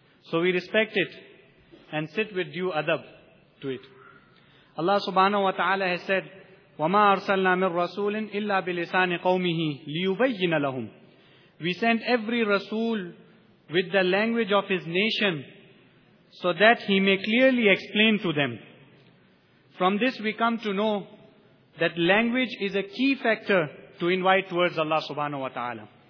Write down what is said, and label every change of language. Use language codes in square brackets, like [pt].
[en] So we respect it and sit with due adab to it. Allah subhanahu wa ta'ala has said, [ar] وَمَا أَرْسَلْنَا مِنْ رَسُولٍ إِلَّا بِلِسَانِ قَوْمِهِ لِيُبَيِّنَ لَهُمْ. [en] We sent every Rasul with the language of his nation so that he may clearly explain to them. From this we come to know that language is a key factor to invite towards Allah subhanahu wa ta'ala.